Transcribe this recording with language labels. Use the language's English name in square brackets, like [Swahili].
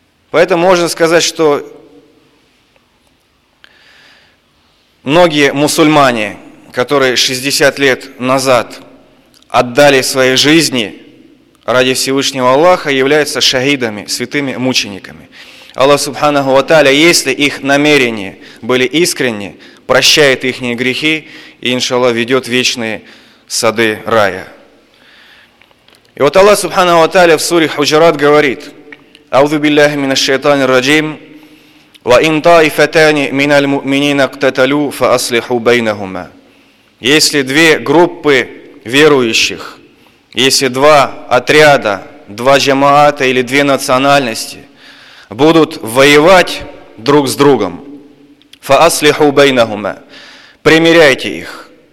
[Russian] Поэтому можно сказать, что многие мусульмане, которые 60 лет назад отдали свои жизни ради Всевышнего Аллаха, являются шахидами, святыми мучениками. Аллах Субханаху ва Тааля, если их намерения были искренни, прощает их грехи и, иншаллах, ведет вечные сады рая. И вот Аллах Субханаху ва Тааля в суре Худжарат говорит: [Arabic] أعوذ بالله من الشيطان الرجيم وإن طائفتان من المؤمنين اقتتلوا فأصلحوا بينهما. [Russian] Если две группы верующих, если два отряда, два джамаата или две национальности будут воевать друг с другом, [Arabic] فأصلحوا بينهما, [Russian] примиряйте их.